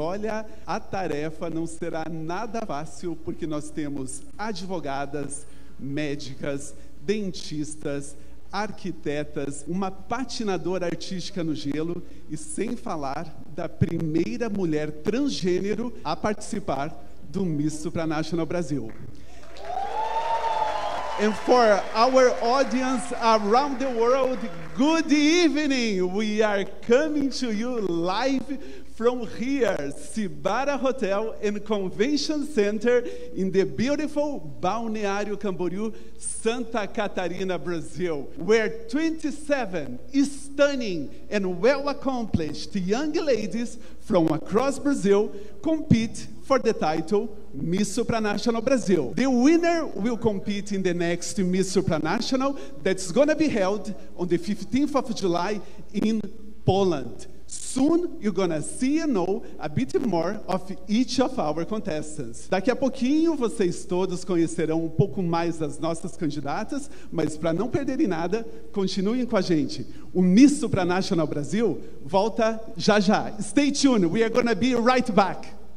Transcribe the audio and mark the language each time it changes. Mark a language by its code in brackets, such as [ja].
[pt] Olha, a tarefa não será nada fácil, porque nós temos advogadas, médicas, dentistas, arquitetas, uma patinadora artística no gelo e sem falar da primeira mulher transgênero a participar do Miss Supranational Brasil. [en] And for our audience around the world, good evening! We are coming to you live from here, Cibara Hotel and Convention Center in the beautiful Balneário Camboriú, Santa Catarina, Brazil, where 27 stunning and well-accomplished young ladies from across Brazil compete for the title Miss Supranational Brasil. The winner will compete in the next Miss Supranational that's going to be held on the 15th of July in Poland. Soon, you're gonna see and know a bit more of each of our contestants. [pt] Daqui a pouquinho, vocês todos conhecerão um pouco mais das nossas candidatas, mas para não perderem nada, continuem com a gente. O Miss Supranational Brasil volta já já. [en] Stay tuned, we are gonna be right back.